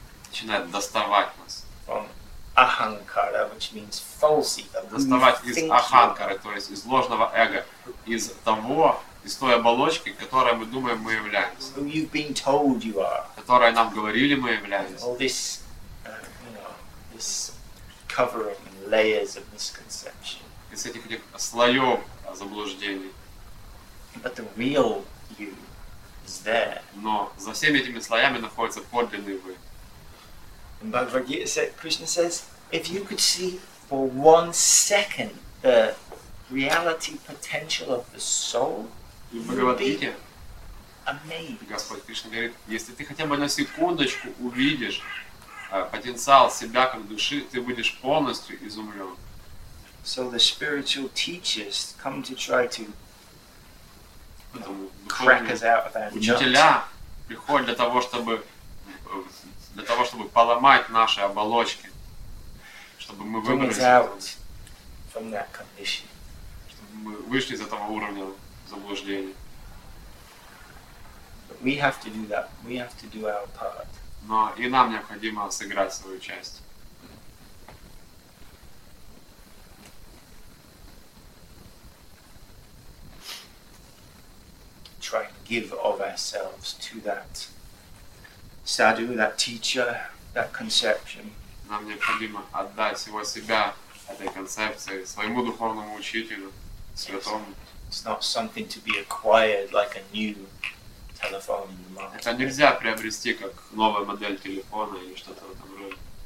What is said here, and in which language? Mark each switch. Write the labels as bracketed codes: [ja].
[ru] Начинает доставать нас. [en] From ahankara, which means false ego. [ru] Доставать из аханкары, то есть из ложного эго, из того, из той оболочки, которой мы думаем, мы являемся. [en] Who you've been told you are. [ru] Которой нам говорили, мы являемся. [en] All this, this covering and layers of misconception. [ru] Из этих слоев заблуждений. [en] But the real you is there. [ru] Но за всеми этими слоями находится подлинный вы. [en] Bhagavad Gita said, Krishna says, if you could see for one second the reality potential of the soul, you'd be amazed. [ru] Господь Кришна говорит, если ты хотя бы на секундочку увидишь потенциал себя как души, ты будешь полностью изумлен. [en] So the spiritual teachers come to try to crack us out of our nut. [ru] Учителя приходят для того, чтобы поломать наши оболочки, чтобы мы вышли из этого уровня заблуждения. [en] But we have to do that. We have to do our part. [ru] Но и нам необходимо сыграть свою часть. [en] Try and give of ourselves to that sadhu, that teacher, that conception. [ru] Нам необходимо отдать всего себя этой концепции, своему духовному учителю, святому. [en] It's not something to be acquired like a new telephone in the market. [ru] Это нельзя приобрести как новая модель телефона или что-то в этом роде.